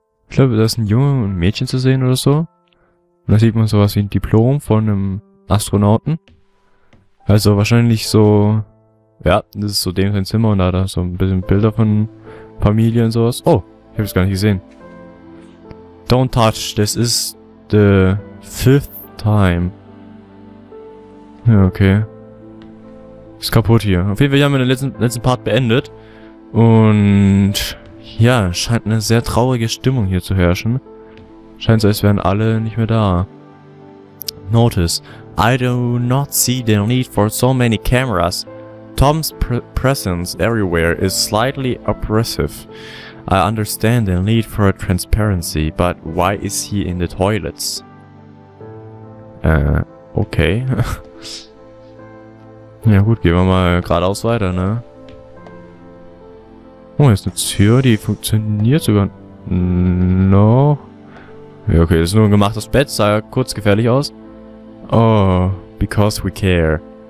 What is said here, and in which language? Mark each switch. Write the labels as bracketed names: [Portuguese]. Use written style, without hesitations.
[German] Ich glaube, da ist ein Junge und ein Mädchen zu sehen oder so. Und da sieht man sowas wie ein Diplom von einem Astronauten. Also wahrscheinlich so, ja, das ist so dem sein Zimmer und da so ein bisschen Bilder von Familie und sowas. Oh, ich habe es gar nicht gesehen. [English] Don't touch, this is the fifth time. [German] Ja, okay. Ist kaputt hier. Auf jeden Fall haben wir den letzten Part beendet. Und ja, scheint eine sehr traurige Stimmung hier zu herrschen. Scheint so, als wären alle nicht mehr da. [English] Notice. I do not see the need for so many cameras. Tom's presence everywhere is slightly oppressive. I understand the need for a transparency, but why is he in the toilets? Okay. [German] Ja gut, gehen wir mal geradeaus weiter, ne? Oh, hier ist eine Tür, die funktioniert sogar noch. Ja, okay, das ist nur ein gemachtes Bett, sah kurz gefährlich aus. [English] Oh, because we care.